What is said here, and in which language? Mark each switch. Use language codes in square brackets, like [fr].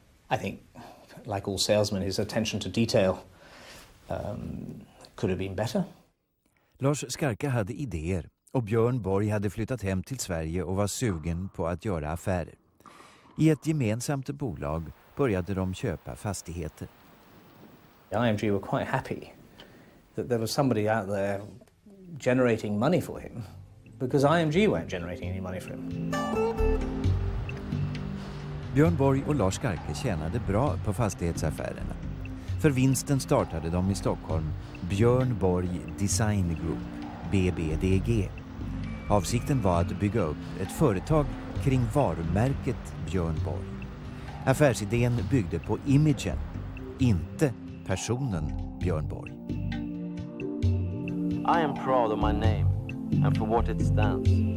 [en] I think, like all salesmen, his attention to detail could have been better. [sv] Lars Skarke hade idéer och Björn Borg hade flyttat hem till Sverige och var sugen på att göra affärer. I ett gemensamt bolag började de köpa fastigheter. [en] IMG were quite happy that there was somebody out there generating money for him, because IMG weren't generating any money for him. [sv] Björn Borg och Lars Skarke tjänade bra på fastighetsaffärerna. För vinsten startade de i Stockholm Björn Borg Design Group, BBDG. Avsikten var att bygga upp ett företag kring varumärket Björn Borg. Affärsidén byggde på imagen, inte personen Björn Borg. [en] I am proud of my name and for what it stands.